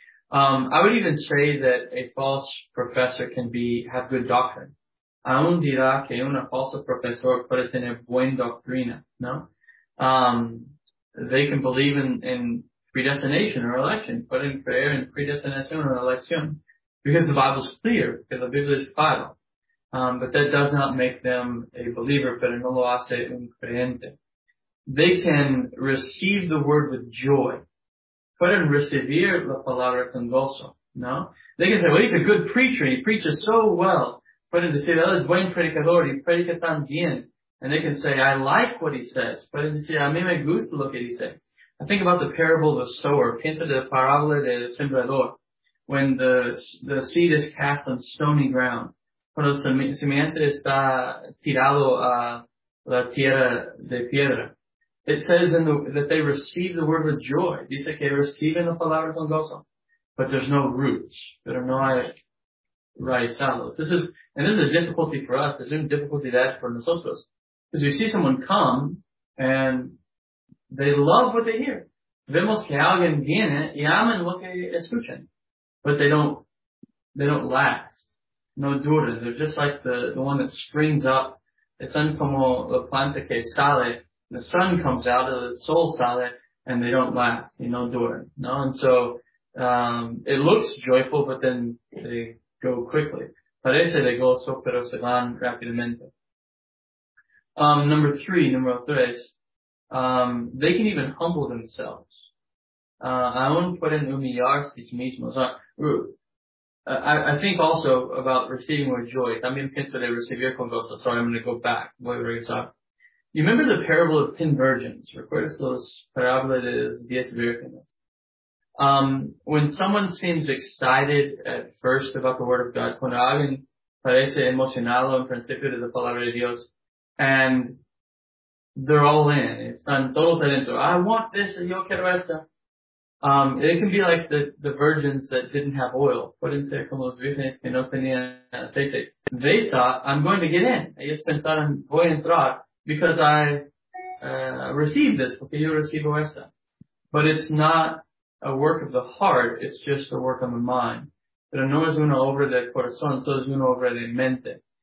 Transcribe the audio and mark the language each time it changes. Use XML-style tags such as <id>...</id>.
<en>I would even say that a false professor can have good doctrine.</en> <es>Aún dirá que un falso profesor puede tener buena doctrina, ¿no?</es> <en>They can believe in predestination or election.</en> <es>Pueden creer en predestinación</es> <en>or election. Because the Bible is clear, because the Biblia is clara. But that does not make them a believer,</en> <es>pero no lo hace un creyente.</es> <en>They can receive the word with joy.</en> <es>Pueden recibir la palabra con gozo, ¿no?</es> <en>They can say, well, he's a good preacher, he preaches so well.</en> <es>Pueden decir, él es buen predicador, y predica tan bien.</es> <en>And they can say, I like what he says.</en> <es>Pueden decir, a mí me gusta lo que dice.</es> <en>I think about the parable of the sower.</en> <es>Piensa de la parábola del sembrador.</es> <en>When the seed is cast on stony ground.</en> <es>Cuando el semillante está tirado a la tierra de piedra.</es> <en>It says in that they receive the word with joy.</en> <es>Dice que reciben la palabra con gozo.</es> <en>But there's no roots.</en> <es>Pero no hay raizados.</es> <en>This is a difficulty for us. There's no difficulty that for nosotros. Because we see someone come and they love what they hear.</en> <es>Vemos que alguien viene y aman lo que escuchan.</es> <en>But they don't last.</en> <es>No duran.</es> <en>They're just like the one that springs up. It's</en> <es>como la planta que sale.</es> <en>The sun comes out of the soul salad and they don't last, you know, during, no? And so, it looks joyful, but then they go quickly.</en> <es>Parece de gozo, pero se van rápidamente. Número tres,</es> <en>they can even humble themselves. Aún pueden humillarse a sí mismos. I think also about receiving with joy.</en> <es>También pienso de recibir con gozo.</es> <en>Sorry, I'm going to go back.</en> <es>Voy a regresar.</es> <en>You remember the parable of 10 virgins?</en> <es>¿Recuerdas los parábolas de 10 vírgenes?</es> <en>When someone seems excited at first about the word of God,</en> <es>cuando alguien parece emocionado en principio de la palabra de Dios,</es> <en>and they're all in,</en> <es>están todos adentro,</es> <en>I want this,</en> <es>yo quiero esto.</es> <en>It can be like the virgins that didn't have oil.</en> <es>Pueden ser como los vírgenes que no tenían aceite.</es> <en>They thought, I'm going to get in.</en> <es>Ellos pensaron, voy a entrar.</es> <en>Because I received this,</en> <es>porque yo recibo esta.</es> <en>But it's not a work of the heart, it's just a work of the mind.</en> <es>Pero no es una obra de corazón, solo es una obra de mente.</es>